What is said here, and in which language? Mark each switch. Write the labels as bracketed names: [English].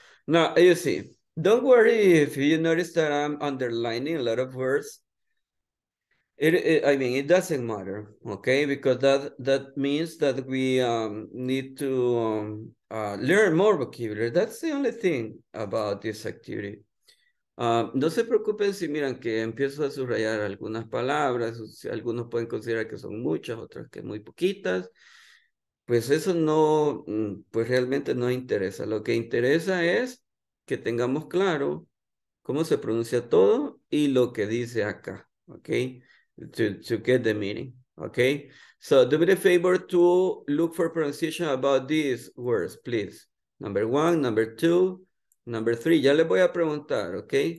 [English] Now, you see, don't worry if you notice that I'm underlining a lot of words. It doesn't matter, okay? Because that means that we need to learn more vocabulary. That's the only thing about this activity. [Spanish] No se preocupen si miran que empiezo a subrayar algunas palabras, si algunos pueden considerar que son muchas, otras que muy poquitas, pues eso no, pues realmente no interesa. Lo que interesa es que tengamos claro cómo se pronuncia todo y lo que dice acá, ¿ok? [English] To get the meaning, ¿ok? So do me the favor to look for pronunciation about these words, please. Number one, number two. Number three, [Spanish] ya le voy a preguntar, ¿ok?